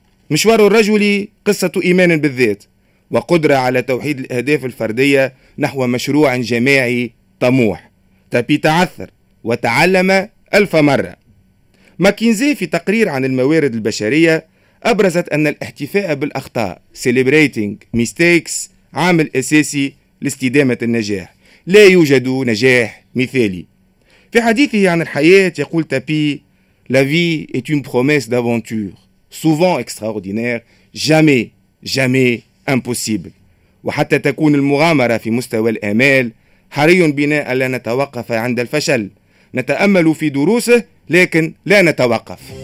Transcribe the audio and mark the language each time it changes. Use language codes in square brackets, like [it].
[ar] مشوار الرجل قصة إيمان بالذات وقدرة على توحيد الأهداف الفردية نحو مشروع جماعي طموح. تابي تعثر وتعلم ألف مرة. ماكينزي في تقرير عن الموارد البشرية أبرزت أن الاحتفاء بالأخطاء [en] celebrating mistakes [ar] عامل أساسي لاستدامة النجاح. لا يوجد نجاح مثالي. في حديثه عن الحياة يقول تابي: [fr] La vie est une promesse d'aventure, souvent extraordinaire, jamais impossible. [ar] وحتى تكون المغامرة في مستوى الأمال، حري بنا ألا نتوقف عند الفشل. نتأمل في دروسه لكن لا نتوقف.